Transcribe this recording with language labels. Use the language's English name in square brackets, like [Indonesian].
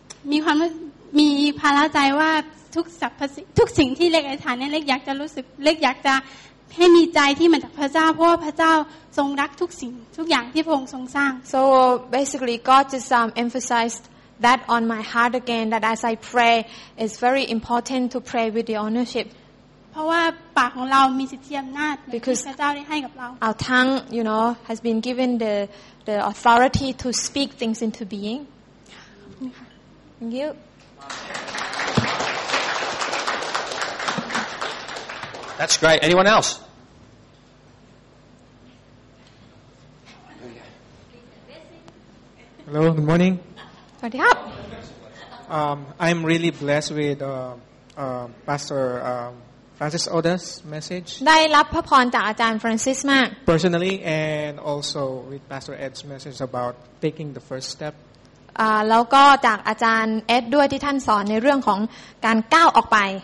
[Thai] มีภาระใจว่าทุกสิ่งที่เล็กอธิษฐานเนี่ยเล็กอยากจะรู้สึกเล็กอยากจะให้มีใจที่มาจากพระเจ้าเพราะว่าพระเจ้าทรงรักทุกสิ่งทุกอย่างที่พระองค์ทรงสร้าง [English] So basically God just emphasized that on my heart again that as I pray it's very important to pray with the ownership [Thai] เพราะว่าปากของเรามีสิทธิอำนาจที่พระเจ้าได้ให้กับเรา [English] Our tongue you know has been given the authority to speak things into being Thank you That's great. Anyone else? Hello, good morning. Good morning. I'm really blessed with Pastor Francis Oda's message. [Thai] ได้รับพระพรจากอาจารย์ Francis มาก [English] Personally and also with Pastor Ed's message about taking the first step. [Thai] แล้วก็จากอาจารย์ Ed ด้วยที่ท่านสอนในเรื่องของการก้าวออกไป